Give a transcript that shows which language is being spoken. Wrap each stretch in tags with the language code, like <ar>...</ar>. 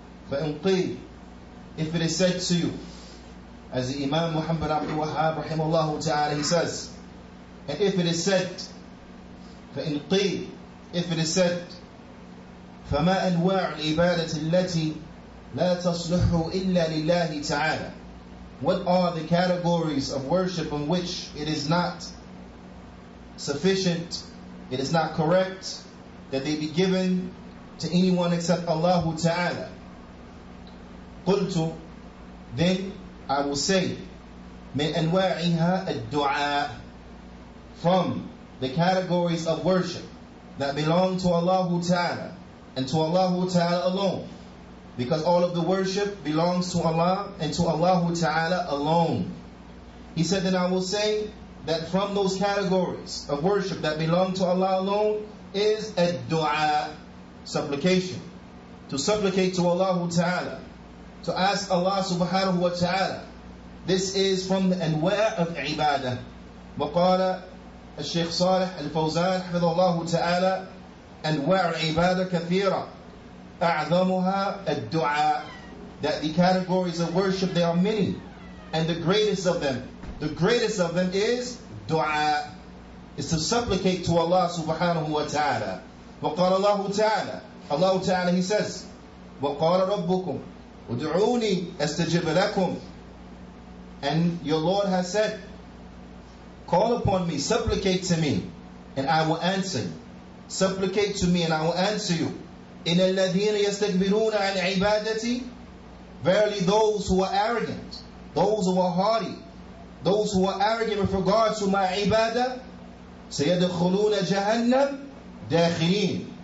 <ar>فإن قيل</ar> <en>if it is said to you as the Imam Muhammad bin Abdul Wahhab</en> <ar>رحمه الله تعالى</ar> <en>he says and if it is said فإن قيل if it is said</en> <ar>فما أنواع العبادة التي لا تصلح إلا لله تعالى.</ar> <en>What are the categories of worship in which it is not sufficient, it is not correct that they be given to anyone except Allah تعالى.</en> <ar>قلت</ar> <en>then I will say</en> <ar>من أنواعها الدعاء.</ar> <en>From the categories of worship that belong to Allah تعالى and to Allah تعالى alone. Because all of the worship belongs to Allah and to Allah Ta'ala alone. He said, then I will say that from those categories of worship that belong to Allah alone is a dua, supplication. To supplicate to Allah Ta'ala. To ask Allah Subhanahu Wa Ta'ala. This is from the anwa' of ibadah.</en> <ar>وقال الشيخ صالح الفوزان حفظ الله تعالى أنواع عبادة كثيرة أعظمها الدعاء.</ar> <en>That the categories of worship, they are many. And the greatest of them is دعاء. Is to supplicate to Allah subhanahu wa ta'ala.</en> <ar>وقال الله تعالى.</ar> <en>Allah تعالى, he says,</en> <ar>وقال ربكم ودعوني استجب لكم.</ar> <en>And your Lord has said, call upon me, supplicate to me, and I will answer you. Supplicate to me, and I will answer you.</en> <ar>إِنَ الَّذِينَ يَسْتَكْبِرُونَ عَنْ عِبَادَتِي.</ar> <en>Verily those who are arrogant, those who are haughty, those who are arrogant with regards to my ibadah,</en> <ar>سَيَدْخُلُونَ جَهَنَّمْ دَاخِلِينَ.</ar>